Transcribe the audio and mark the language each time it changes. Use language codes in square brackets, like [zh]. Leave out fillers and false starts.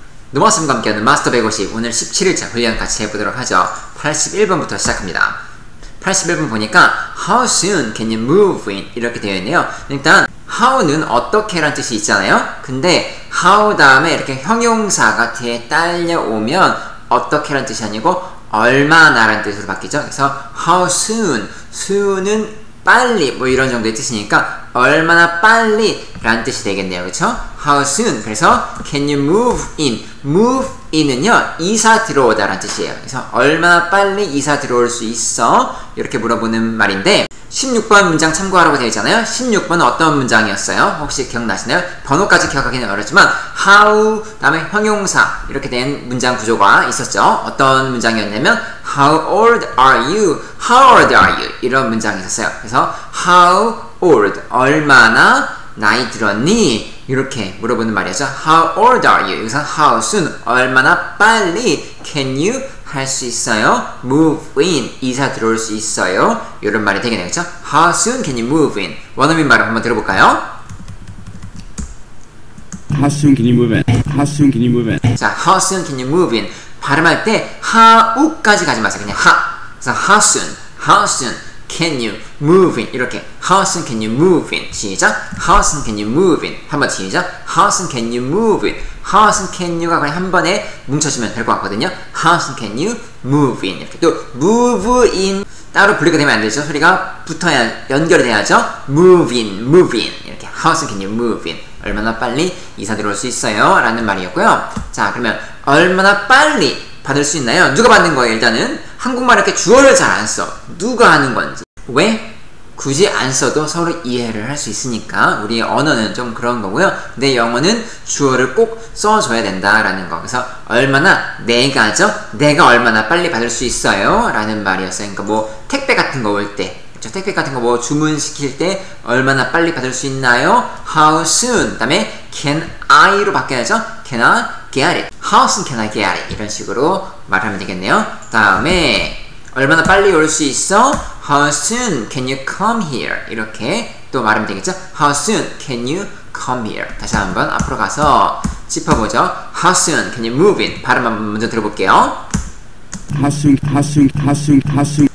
[ko] 노마쌤과 함께하는 마스터 150, 오늘 17일차 훈련 같이 해보도록 하죠. 81번부터 시작합니다. 81번 보니까 [en] How soon can you move in? [ko] 이렇게 되어 있네요. 일단 How는 어떻게란 뜻이 있잖아요. 근데 How 다음에 이렇게 형용사가 뒤에 딸려오면 어떻게란 뜻이 아니고 얼마나란 뜻으로 바뀌죠. 그래서 How soon, soon은 빨리 뭐 이런 정도의 뜻이니까 얼마나 빨리 라는 뜻이 되겠네요. 그쵸? [en] How soon? 그래서 Can you move in? [ko] Move in은요 이사 들어오다 라는 뜻이에요. 그래서 얼마나 빨리 이사 들어올 수 있어? 이렇게 물어보는 말인데 16번 문장 참고하라고 되어 있잖아요. 16번은 어떤 문장이었어요? 혹시 기억나시나요? 번호까지 기억하기는 어렵지만 How 다음에 형용사 이렇게 된 문장 구조가 있었죠. 어떤 문장이었냐면 [en] How old are you? How old are you? [ko] 이런 문장이 있었어요. 그래서 [en] How old? [ko] 얼마나 나이 들었니? 이렇게 물어보는 말이었죠. [en] How old are you? [ko] 여기서 [en] How soon? [ko] 얼마나 빨리 [en] Can you? [ko] 할 수 있어요? [en] Move in. [ko] 이사 들어올 수 있어요? 이런 말이 되겠네요. 그렇죠? [en] How soon can you move in? [ko] 원어민 말을 한번 들어볼까요? [en] How soon can you move in? How soon can you move in? 자, How soon can you move in? [ko] 발음할 때 하우까지 가지 마세요. 그냥 하. 그래서 [en] How soon? How soon can you move in? [ko] 이렇게 [en] How soon can you move in? [ko] 시작. [en] How soon can you move in? [ko] 한번 시작. [en] How soon can you move in? How soon can you [ko] 가 그냥 한 번에 뭉쳐지면 될 것 같거든요. [en] How soon can you move in? [ko] 이렇게 또 move in 따로 분리가 되면 안 되죠. 소리가 붙어야 연결이 돼야죠. [en] Move in, move in. [ko] 이렇게 [en] How soon can you move in? [ko] 얼마나 빨리 이사 들어올 수 있어요? 라는 말이었고요. 자, 그러면 얼마나 빨리 받을 수 있나요? 누가 받는 거예요? 일단은 한국말 이렇게 주어를 잘 안 써. 누가 하는 건지. 왜? 굳이 안 써도 서로 이해를 할 수 있으니까 우리 언어는 좀 그런 거고요. 근데 영어는 주어를 꼭 써줘야 된다라는 거. 그래서 얼마나 내가죠? 내가 얼마나 빨리 받을 수 있어요? 라는 말이었어요. 그러니까 뭐 택배 같은 거 올 때 그렇죠? 택배 같은 거 뭐 주문시킬 때 얼마나 빨리 받을 수 있나요? [en] How soon? [ko] 그 다음에 Can I로 바뀌어야죠? [en] Can I get it? How soon can I get it? [ko] 이런 식으로 말하면 되겠네요. 다음에 얼마나 빨리 올 수 있어? [en] How soon can you come here? [ko] 이렇게 또 말하면 되겠죠? [en] How soon can you come here? [ko] 다시 한번 앞으로 가서 짚어보죠. [en] How soon can you move in? [ko] 발음 한번 먼저 들어볼게요. [en] How soon, how soon, how soon, how soon.